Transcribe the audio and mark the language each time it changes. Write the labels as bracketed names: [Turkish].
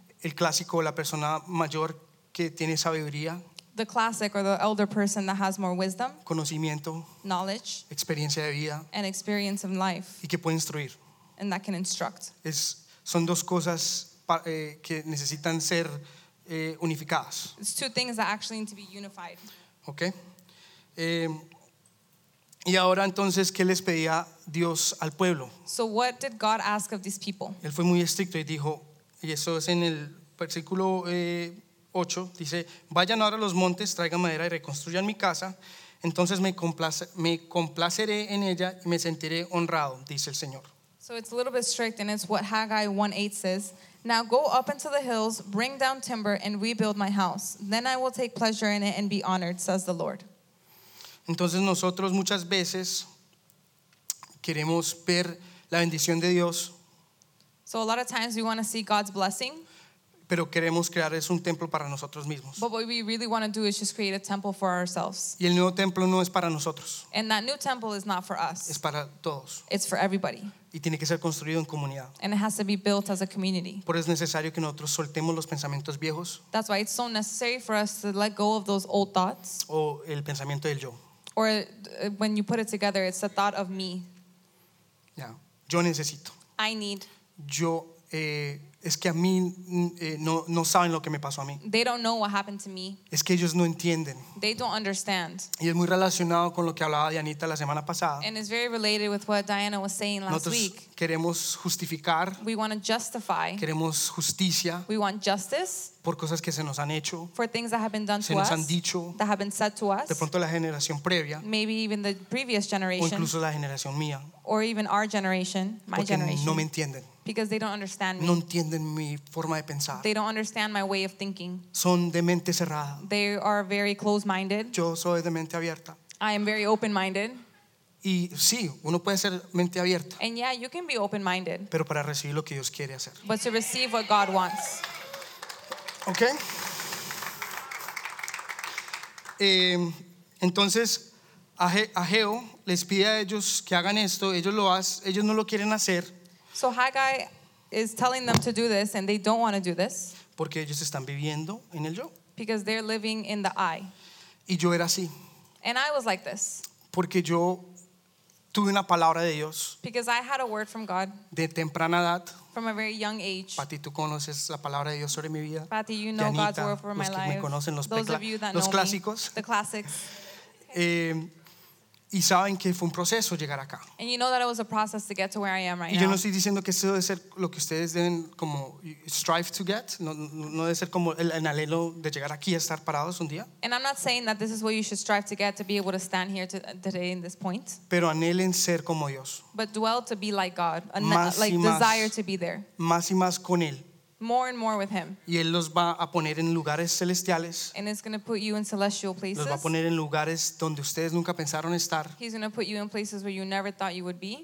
[Spanish] El clásico, la persona mayor que tiene sabiduría. [English] The classic or the elder person that has more wisdom. [Spanish] Conocimiento. [English] Knowledge. [Spanish] Experiencia de vida. [English] And experience of life. [Spanish] Y que puede instruir. [English] And that can instruct. [Spanish] Son dos cosas que necesitan ser unificadas. [English] It's two things that actually need to be unified. Okay. [Spanish] Y ahora entonces, ¿qué les pedía Dios al pueblo? [English] So what did God ask of these people? [Spanish] Él fue muy estricto y dijo, y eso es en el versículo 8, dice, vayan ahora a los montes, traigan madera y reconstruyan mi casa. Entonces me complaceré en ella y me sentiré honrado, dice el Señor. [English] So it's a little bit strict, and it's what Haggai 1:8 says. Now go up into the hills, bring down timber, and rebuild my house. Then I will take pleasure in it and be honored, says the Lord. [Spanish] Entonces nosotros muchas veces queremos ver la bendición de Dios. [English] So a lot of times we want to see God's blessing. [Spanish] Pero queremos crear es un templo para nosotros mismos. [English] But what we really want to do is just create a temple for ourselves. [Spanish] Y el nuevo templo no es para nosotros. [English] And that new temple is not for us. [Spanish] Es para todos. [English] It's for everybody. [Spanish] Y tiene que ser construido en comunidad. [English] And it has to be built as a community. [Spanish] Por eso es necesario que nosotros soltemos los pensamientos viejos. [English] That's why it's so necessary for us to let go of those old thoughts. [Spanish] O el pensamiento del yo. [English] Or when you put it together, it's the thought of me. [Spanish] Yeah. Yo necesito. [English] I need. [Spanish] Yo es que a mí no saben lo que me pasó a mí. [English] They don't know what happened to me. [Spanish] Es que ellos no entienden. [English] They don't understand. [Spanish] Y es muy relacionado con lo que hablaba Dianita la semana pasada. [English] And it's very related with what Diana was saying last [Spanish] Nosotros [English] week. [Spanish] Queremos justificar. [English] We want to justify. [Spanish] Queremos justicia. [English] We want justice. [Spanish] Por cosas que se nos han hecho. [English] For things that have been done to us. [Spanish] Se nos han dicho. [English] That have been said to us. [Spanish] De pronto la generación previa. [English] Maybe even the previous generation. [Spanish] O incluso la generación mía. [English] Or even our generation, my [Spanish] Porque [English] generation. [Spanish] Porque no me entienden. [English] Because they don't understand me. [Spanish] No entienden mi forma de pensar. [English] They don't understand my way of thinking. [Spanish] Son de mente cerrada. [English] They are very closed-minded. [Spanish] Yo soy de mente abierta. [English] I am very open-minded. [Spanish] Y sí, uno puede ser mente abierta. [English] And yeah, you can be open-minded. [Spanish] Pero para recibir lo que Dios quiere hacer. [English] But to receive what God wants. Okay. [Spanish] Entonces, Ageo les pide a ellos que hagan esto. Ellos lo hacen. Ellos no lo quieren hacer. [English] So Haggai is telling them to do this, and they don't want to do this. [Spanish] Porque ellos están viviendo en el yo. [English] Because they're living in the I. [Spanish] Y yo era así. [English] And I was like this. [Spanish] Porque yo tuve una palabra de Dios. [English] Because I had a word from God. [Spanish] De temprana edad. [English] From a very young age. [Spanish] Pati, tú conoces la palabra de Dios sobre mi vida. [English] Pati, you know [Spanish] Dianita, [English] God's word for my life. [Spanish] Me conocen, [English] those of you that know me. [Spanish] Los clásicos. [English] The classics. [Spanish] Y saben que fue un proceso llegar acá. [English] And you know that it was a process to get to where I am right now. [Spanish] Y yo no estoy diciendo que eso debe ser lo que ustedes deben como [English] strive to get. [Spanish] No debe ser como el anhelo de llegar aquí a estar parados un día. [English] And I'm not saying that this is what you should strive to get to be able to stand here today in this point. [Spanish] Pero anhelen ser como Dios. [English] But dwell to be like God. [Spanish] Más [English] like [Spanish] y más, [English] desire to be there. [Spanish] Más y más con Él. [English] More and more with Him. [Spanish] Y Él los va a poner en lugares celestiales. [English] And it's going to put you in celestial places. [Spanish] Los va a poner en lugares donde ustedes nunca pensaron estar. [English] He's going to put you in places where you never thought you would be.